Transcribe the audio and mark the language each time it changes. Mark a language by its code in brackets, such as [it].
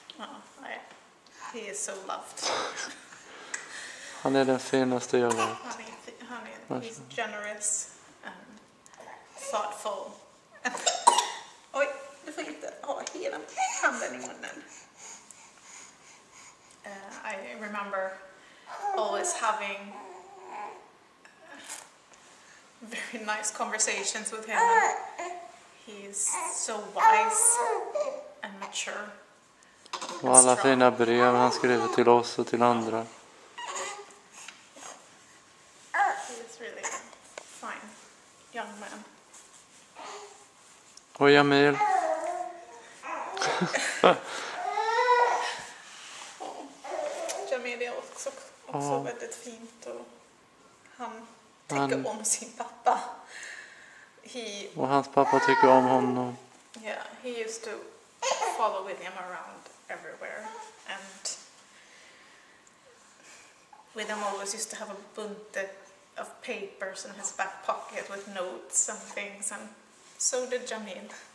[en] Oh, he is so loved. [sv] Han är den finaste jag vet. Han är [en] generous and thoughtful. [sv] Oj, du får inte ha hela handen i munnen. [en] I remember always having very nice conversations with him. He is so wise and mature. [sv] Och alla fina brev han skriver till oss och till andra. [en] He is really fine young man. [sv] Och Jamil. Jamil är också väldigt fint och han tycker om sin pappa. Och hans pappa tycker om honom. [en] Yeah, he used to follow William around everywhere, and William always used to have a bunte of papers in his back pocket with notes and things, and so did Jamil.